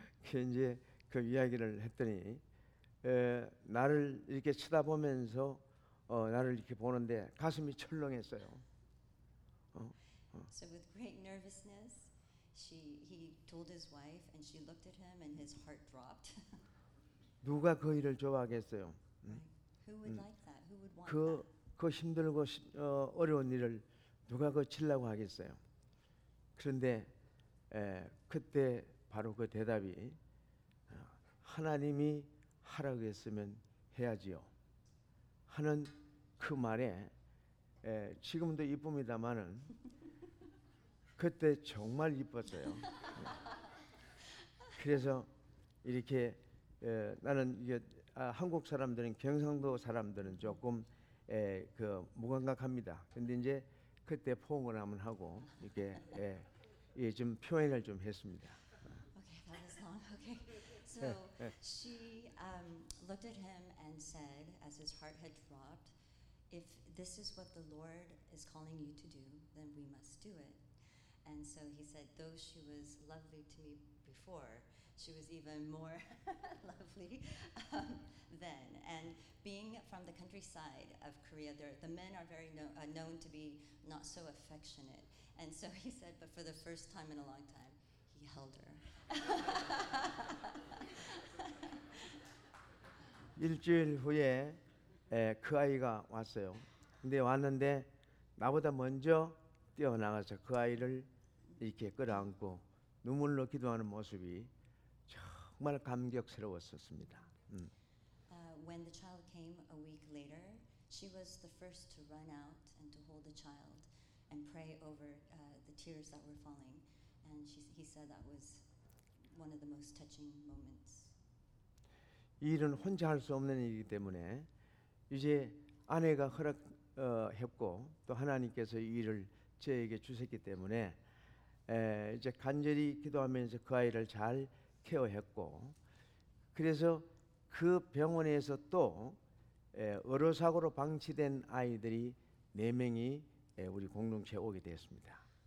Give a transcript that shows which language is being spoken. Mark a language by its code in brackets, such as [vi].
[ko] 그 이제 그 이야기를 했더니 나를 이렇게 쳐다보면서 나를 이렇게 보는데 가슴이 철렁했어요. [en] So with great nervousness, he told his wife, and she looked at him, and his heart dropped. [ko] 누가 그 일을 좋아하겠어요? [en] Right. Who would like that? Who would want 그, that? [ko] 그 힘들고 어려운 일을 누가 거치려고 하겠어요? 그런데 그때 바로 그 대답이 하나님이 하라고 했으면 해야지요 하는 그 말에 지금도 이쁩니다만은 그때 정말 이뻤어요. 그래서 이렇게 나는 이게 한국 사람들은 경상도 사람들은 조금 그 무감각합니다. 근데 이제 그때 포옹을 한번 하고 이렇게 예, 좀 표현을 좀 했습니다. [en] Okay, that is long. Okay. So she looked at him and said, as his heart had dropped, if this is what the Lord is calling you to do, then we must do it. And so he said, though she was lovely to me before, she was even more lovely then. And being from the countryside of Korea, the men are very known to be not so affectionate. And so he said, but for the first time in a long time, he held her. [ko] 일주일 후에 그 아이가 왔어요. 근데 왔는데 나보다 먼저 뛰어나가서 그 아이를 이렇게 끌어안고 눈물로 기도하는 모습이 정말 감격스러웠었습니다. [en] When the child came a week later, she was the first to run out and to hold the child and pray over the tears that were falling. And he said that was one of the most touching moments. [ko] 이 일은 혼자 할 수 없는 일이기 때문에 이제 아내가 허락했고 또 하나님께서 이 일을 저에게 주셨기 때문에 이제 간절히 기도하면서 그 아이를 잘 케어했고 그래서 그 병원에서 또 의료사고로 방치된 아이들이 네 명이 우리 공동체에 오게 되었습니다.